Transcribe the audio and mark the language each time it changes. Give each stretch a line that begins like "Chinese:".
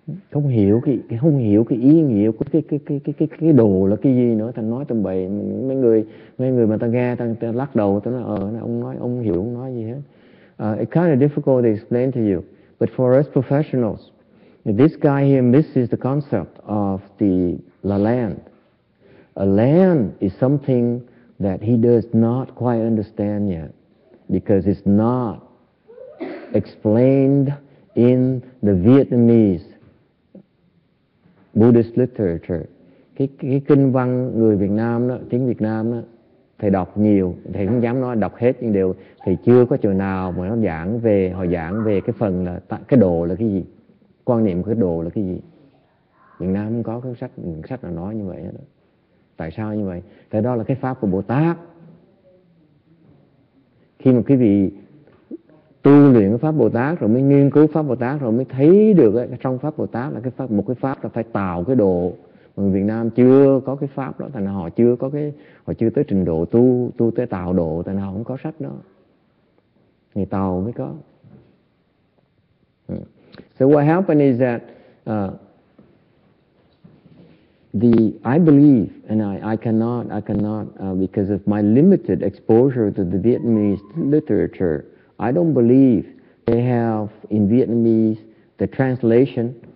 Vietnamese: Không hiểu cái ý nghĩa của cái đồ là cái gì nữa, thằng nói tầm bậy. Mấy người mà ta nghe ta lắc đầu, ta nói ông hiểu ông nói gì hết.
English: It's kind of difficult to explain to you, but for us professionals, this guy here misses the concept of the land. A land is something that he does not quite understand yet, because it's not explained in the Vietnamese Buddhist literature.
Vietnamese: Cái kinh văn người Việt Nam đó, tiếng Việt Nam đó, thầy đọc nhiều, thầy không dám nói đọc hết, nhưng đều thầy chưa có chỗ nào mà nó giảng về, họ giảng về cái phần là cái độ là cái gì. Quan niệm cái đồ là cái gì? Việt Nam không có cái sách nào nói như vậy đó. Tại sao như vậy? Tại đó là cái pháp của Bồ Tát. Khi mà quý vị tu luyện cái pháp Bồ Tát rồi mới nghiên cứu pháp Bồ Tát rồi mới thấy được ấy, trong pháp Bồ Tát là cái pháp, một cái pháp là phải tạo cái đồ. Người Việt Nam chưa có cái pháp đó, tại họ chưa có cái, họ chưa tới trình độ tu tới tạo đồ, tại họ không có sách đó. Người Tàu mới có.
English: So what happened is that I cannot because of my limited exposure to the Vietnamese literature, I don't believe they have in Vietnamese the translation